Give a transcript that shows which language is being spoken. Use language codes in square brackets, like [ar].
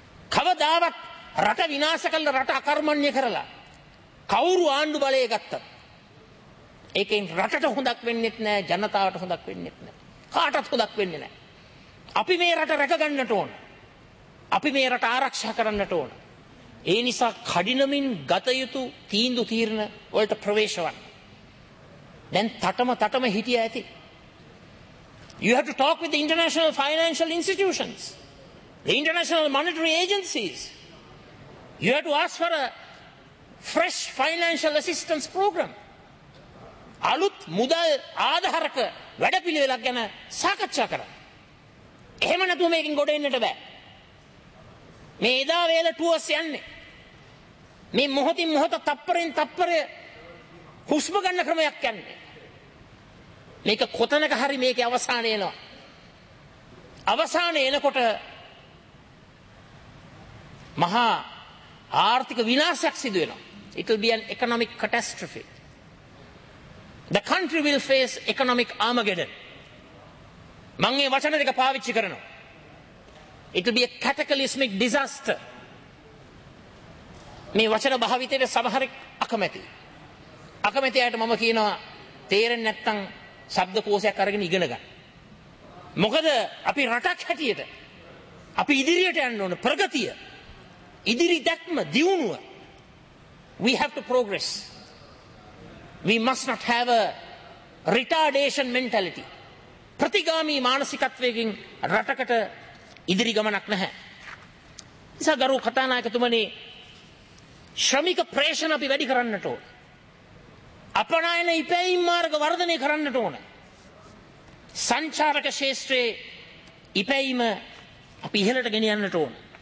[si] කවදාවත් රට විනාශ කළ රට අකර්මණ්‍ය කරලා කවුරු ආණ්ඩු බලය ගත්තත් ඒකෙන් රටට හොඳක් වෙන්නෙත් නැහැ, ජනතාවට හොඳක් වෙන්නෙත් නැහැ, කාටත් හොඳක් වෙන්නේ නැහැ. අපි මේ රට රැකගන්නට ඕන, අපි මේ රට ආරක්ෂා කරන්නට ඕන. ඒ නිසා කඩිනමින් ගත යුතු තීන්දුව තීරණ වලට ප්‍රවේශවන්න දැන් තටම තටම හිටියා ඇති. [en] You have to talk with the international financial institutions, the international monetary agencies. You have to ask for a fresh financial assistance program. [si] අලුත් මුදල් ආධාරක වැඩපිළිවෙලක් ගැන සාකච්ඡා කරන්න. එහෙම නැතුව මේකෙන් ගොඩ එන්නට බෑ. මේ එදා වේල ටුවස් යන්නේ මේ මොහොතින් මොහොත තප්පරෙන් තප්පරය හුස්ම ගන්න ක්‍රමයක් යන්නේ. මේක කොතනක හරි මේකේ අවසානය එනවා. අවසානය එනකොට මහා ආර්ථික විනාශයක් සිදු වෙනවා. [en] It will be an economic catastrophe. The country will face economic Armageddon. [si] මම මේ වචන දෙක පාවිච්චි කරනවා. [en] It will be a cataclysmic disaster. [si] මේ වචන භාවිතයට සමහර අකමැති. අකමැති අයට මම කියනවා තේරෙන්නේ නැත්නම් ශබ්දකෝෂයක් අරගෙන ඉගෙන ගන්න. මොකද අපි රටක් හැටියට අපි ඉදිරියට යන්න ඕන ප්‍රගතිය ඉදිරි දැක්ම දියුණුව. [en] We have to progress. We must not have a retardation mentality. [si] ප්‍රතිගාමි මානසිකත්වයකින් රටකට ඉදිරි ගමනක් නැහැ. නිසා ගරු කතානායකතුමනි, ශ්‍රමික ප්‍රේෂණ අපි වැඩි කරන්නට ඕන. අපනයන ඉපැයීම් මාර්ග වර්ධනය කරන්නට ඕන. සංචාරක ශේෂ්ත්‍රයේ ඉපැයීම අපි ඉහළට ගෙනියන්නට ඕන.